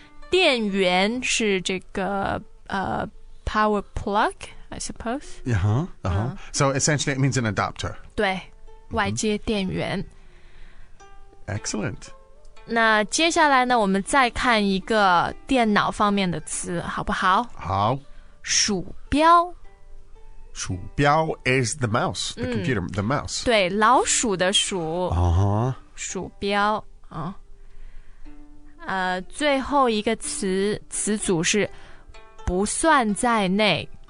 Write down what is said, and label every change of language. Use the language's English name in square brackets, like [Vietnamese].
[Chinese] 电源是这个、 [English] power plug I suppose So essentially it means an adapter [Chinese] 对外接电源、 [English] Excellent [Chinese] 那接下来呢我们再看一个电脑方面的词好不好好鼠标 [English] 鼠标 is the mouse, the computer,、the mouse. [Chinese] 对，老鼠的鼠。鼠标、最后一个词组是不算在内。